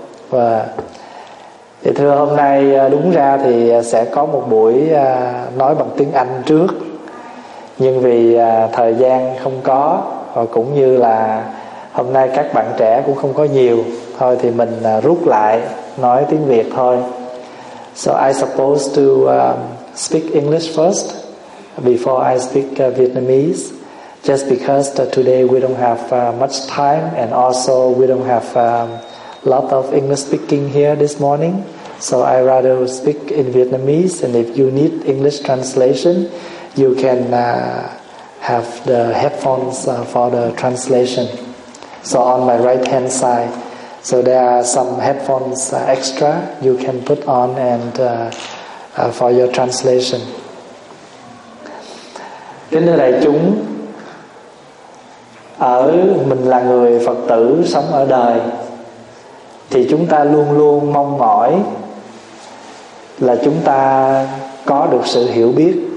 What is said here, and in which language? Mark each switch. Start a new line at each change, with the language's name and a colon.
Vietnamese: Và thì thưa, hôm nay đúng ra thì sẽ có một buổi nói bằng tiếng Anh trước, nhưng vì thời gian không có, và cũng như là hôm nay các bạn trẻ cũng không có nhiều, thôi thì mình rút lại nói tiếng Việt thôi.
English: So I supposed to speak English first before I speak Vietnamese, just because today we don't have much time, and also we don't have lot of English speaking here this morning. So I rather speak in Vietnamese, and if you need English translation, you can have the headphones for the translation. So on my right hand side, so there are some headphones extra you can put on and for your translation.
Vietnamese: Kính thưa đại chúng, ở mình là người Phật tử sống ở đời, thì chúng ta luôn luôn mong mỏi là chúng ta có được sự hiểu biết.